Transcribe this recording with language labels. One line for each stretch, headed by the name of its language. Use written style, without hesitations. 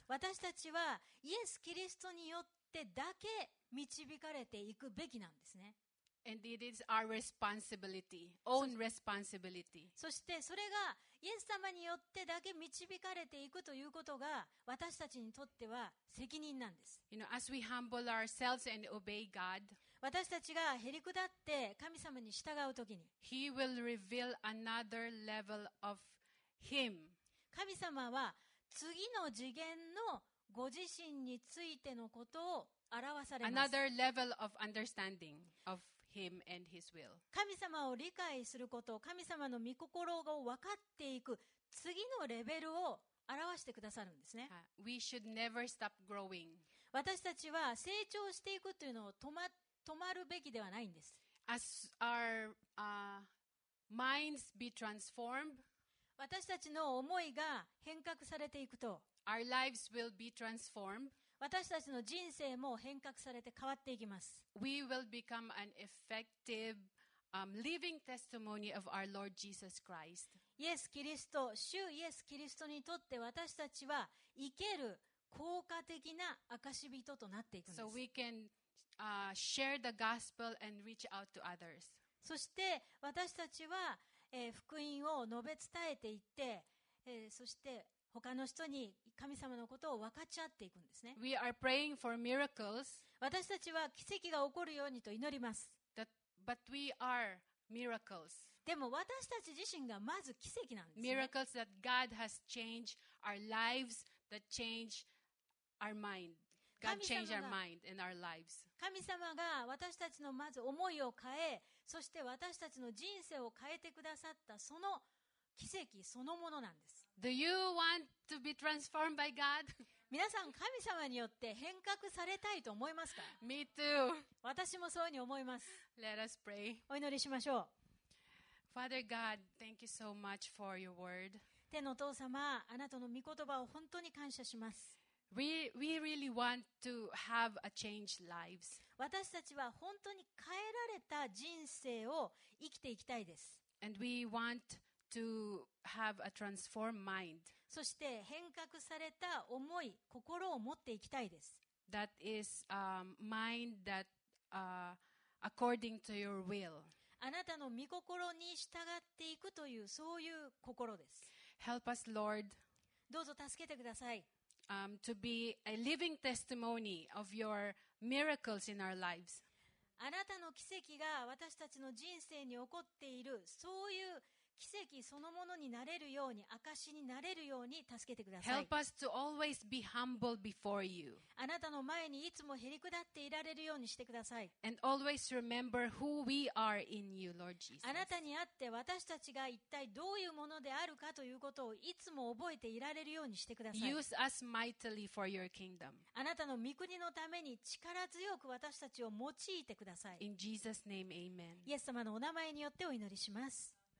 Japanese: 私たちはイエス・キリストによってだけ導かれていくべきなんですね。
English: And it is our responsibility, own responsibility.
Japanese: そしてそれがイエス様によってだけ導かれていくということが私たちにとっては責任なんです。
English: You know, as we humble ourselves and obey God,
Japanese: 私たちがへりくだって神様に従うときに、
English: He will reveal another level of Him.
Japanese: 神様は次の次元のご自身についてのことを表されます。
English: Another level of understanding of Him and His will.
Japanese: 神様を理解すること、神様の御心を分かっていく次のレベルを表してくださるんですね。
English: We should never stop growing.
Japanese: 私たちは成長していくというのを止まるべきではないんです。
English: As our minds be transformed,
Japanese: 私たちの思いが変革されていくと、
English: our lives will be transformed.
Japanese: 私たちの人生も変革されて変わっていきます。
English: We will become an effective, living testimony of our Lord Jesus Christ.
Japanese: イエス・キリスト、主イエス・キリストにとって私たちは生ける効果的な証人となっていくんです。
English: So we can, share the gospel and reach out to others.
Japanese: そして私たちは、福音を述べ伝えていって、そして他の人に神様のことを分かち合っていくんですね。
English: We are praying for miracles.
Japanese: 私たちは奇跡が起こるようにと祈ります。
English: But we are miracles.
Japanese: でも私たち自身がまず奇跡なんですね。
English: Miracles that God has changed our lives, that change our mind. God change our mind and our lives.
Japanese: 神様が私たちのまず思いを変え、そして私たちの人生を変えてくださったその奇跡そのものなんです。
English: Do you want to be transformed by God?
Japanese: 皆さん神様によって変革されたいと思いますか？
English: Me too.
Japanese: 私もそうに思います。
English: Let us pray.
Japanese: お祈りしましょう。
English: Father God, thank you so much for your word.
Japanese: 天のお父様、あなたの御言葉を本当に感謝します。
English: We really want to have a changed lives.
Japanese: 私たちは本当に変えられた人生を生きていきたいです。
English: And we want to have a transformed mind.
Japanese: そして変革された思い、心を持っていきたいです。
English: That is a mind that according to your will.
Japanese: あなたの御心に従っていくというそういう心です。
English: Help us, Lord.
Japanese: どうぞ助けてください。
English: To be a living testimony of your miracles in our lives.
Japanese: あなたの奇跡が私たちの人生に起こっているそういう奇跡そのものになれるように証になれるように助けてください。
English: Help us to always be humble before you.
Japanese: あなたの前にいつもへりくだっていられるようにしてください。
English: And always remember who we are in you, Lord Jesus.
Japanese: あなたにあって私たちが一体どういうものであるかということをいつも覚えていられるようにしてください。
English: Use us mightily for your kingdom.
Japanese: あなたの御国のために力強く私たちを用いてください。
English: In Jesus' name, Amen.
Japanese: イエス様のお名前によってお祈りします。